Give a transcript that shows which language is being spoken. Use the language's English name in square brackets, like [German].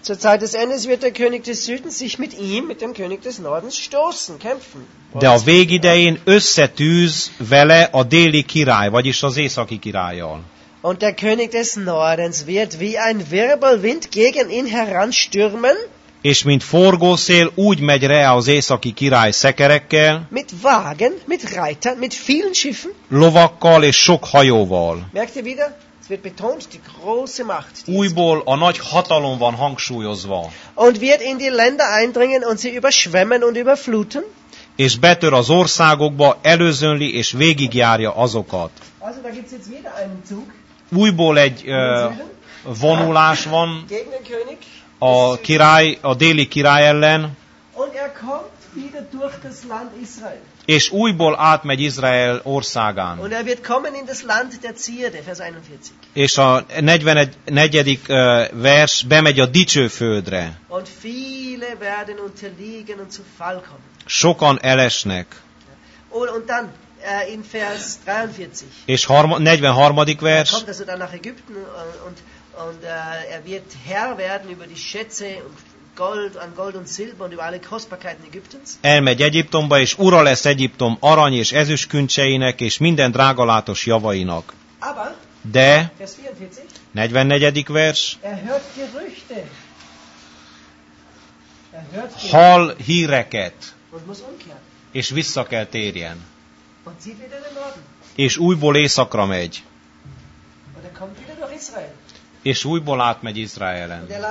[German] Zur Zeit des Endes wird der König des Südens sich mit ihm, mit dem König des Nordens, stoßen, kämpfen. [Hungarian] De a végidején összetűz vele a déli király, vagyis az északi királlyal. [German] Und der König des Nordens wird wie ein Wirbelwind gegen ihn heranstürmen. [Hungarian] És mint forgószél úgy megy rá az északi király szekerekkel. [German] Mit Wagen, mit Reitern, mit vielen Schiffen. [Hungarian] Lovakkal és sok hajóval. [German] Merkt ihr wieder? Es wird betont, die große Macht. [Hungarian] Újból a nagy hatalom van hangsúlyozva. [German] Und wird in die Länder eindringen und sie überschwemmen und überfluten. [Hungarian] És betör az országokba, előzönli és végigjárja azokat. [German] Also, da gibt's jetzt wieder einen Zug. [Hungarian] Újból egy vonulás van. [German] Gegen den König. [Hungarian] A király, a déli király ellen, [German] und er kommt wieder durch das Land Israel. [Hungarian] És újból átmegy Izrael országán. [German] Und er wird kommen in das Land der Zierde, Vers 41. [Hungarian] És a 44. Vers bemegy a dicső földre. [German] Und viele werden unterliegen und zu Fall kommen. [Hungarian] Sokan elesnek. [German] Und dann in Vers 43. [Hungarian] És 43. Vers. [German] Kommt also dann nach Ägypten und er wird Herr werden über die Schätze und Gold, an Gold und Silber und über alle Kostbarkeiten Ägyptens. [Hungarian] Elmegy Egyiptomba, és ura lesz Egyiptom arany és ezüst küncseinek és minden drágalátos javainak. [German] Aber, [Hungarian] de, [German] vers 44, [Hungarian] 44. vers, [German] er hört Gerüchte. [Hungarian] Hall híreket, [German] und muss umkehren. [Hungarian] És vissza kell térjen. [German] Und zieht wieder den Norden. [Hungarian] És újból északra megy. [German] Und er kommt wieder durch Israel. [Hungarian] És újból átmegy Izraelen.